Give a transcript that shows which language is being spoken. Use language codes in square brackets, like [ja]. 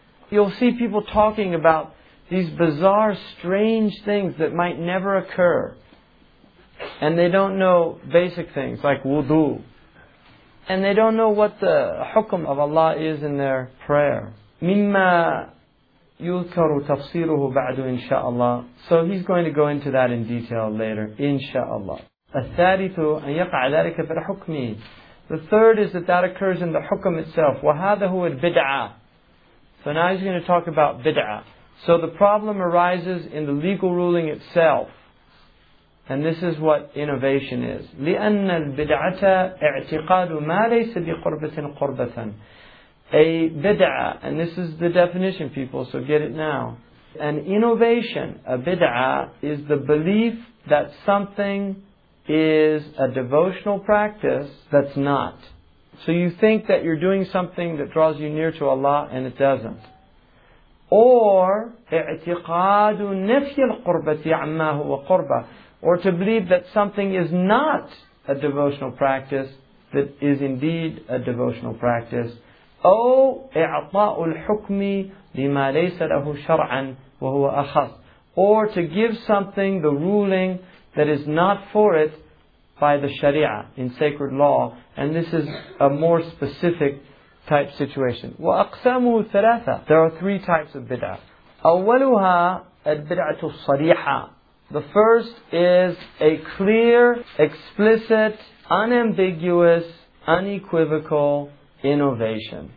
[en] You'll see people talking about these bizarre, strange things that might never occur. And they don't know basic things like wudu. and they don't know what the hukm of Allah is in their prayer. [ar] مِمَّا يُذْكَرُ تَفْصِيرُهُ بَعْدُ إِنْشَاءَ اللَّهِ. [en] So he's going to go into that in detail later, إِنْشَاءَ اللَّهِ. [ar] الثَّارِثُ أَنْ يَقَعَ ذَلِكَ فِي الْحُكْمِ. [en] The third is that that occurs in the hukm itself. [ar] وَهَذَا هُوَ الْبِدْعَةِ. [en] So now he's going to talk about bid'ah. So the problem arises in the legal ruling itself. And this is what innovation is. [ar] لِأَنَّ الْبِدْعَةَ اِعْتِقَادُ مَا لَيْسَ بِقُرْبَةٍ قُرْبَةً. [en] A bid'ah, and this is the definition, people, so get it now. An innovation, a bid'ah, is the belief that something is a devotional practice that's not. So you think that you're doing something that draws you near to Allah, and it doesn't. [ar] Or, اِعْتِقَادُ نَفْيَ الْقُرْبَةِ عَمَّا هُوَ قُرْبَةً. [en] Or to believe that something is not a devotional practice that is indeed a devotional practice. [ar] أو إعطاء الحكم لما ليس له شرعا وهو أخص. [en] Or to give something the ruling that is not for it by the Sharia in sacred law. And this is a more specific type situation. [ar] وأقسامه ثلاثة. [en] There are three types of bid'ah. [ar] أولها البدعة الصريحة. [en] The first is a clear, explicit, unambiguous, unequivocal innovation.